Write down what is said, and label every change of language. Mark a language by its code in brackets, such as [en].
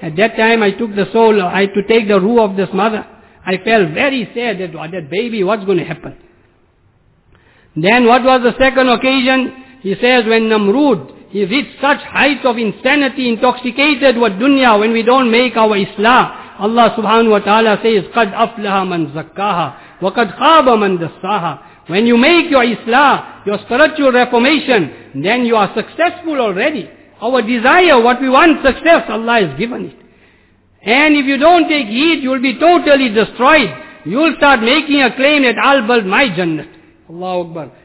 [en] At that time I took the soul, I had to take the ruh of this mother. I felt very sad that baby, what's going to happen? Then what was the second occasion? He says when Namrud, he reached such height of insanity, intoxicated with dunya, when we don't make our islah. Allah subhanahu wa ta'ala says, [ar] قَدْ أَفْلَهَ مَنْ زَكَّاهَا وَقَدْ خَابَ مَنْ دَسَّاهَا. [en] When you make your islah, your spiritual reformation, then you are successful already. Our desire, what we want, success, Allah has given it. And if you don't take heed, you'll be totally destroyed. You'll start making a claim that I'll build my jannat. Allahu Akbar.